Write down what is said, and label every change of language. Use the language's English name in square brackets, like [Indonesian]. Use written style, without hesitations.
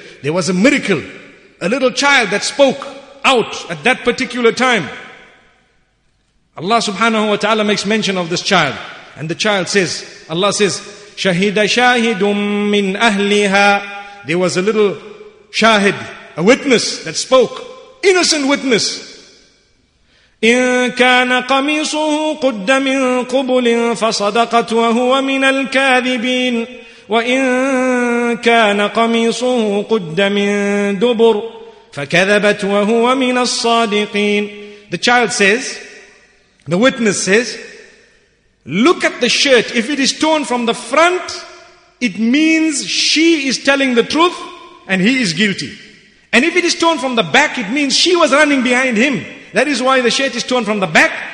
[English] There was a miracle, a little child that spoke out at that particular time. Allah subhanahu wa ta'ala makes mention of this child. And the child says, Allah says, [Arabic] شَهِدَ شَاهِدٌ مِّنْ أَهْلِهَا. [English] There was a little shahid, a witness that spoke innocent witness. [Arabic] إن كان قميصه قد من قبل فصدقت وهو من الكاذبين وإن كان قميصه قد من دبر فكذبت وهو من الصادقين. [English] The child says, the witness says, look at the shirt. If it is torn from the front, it means she is telling the truth and he is guilty. And if it is torn from the back, it means she was running behind him. That is why the shirt is torn from the back.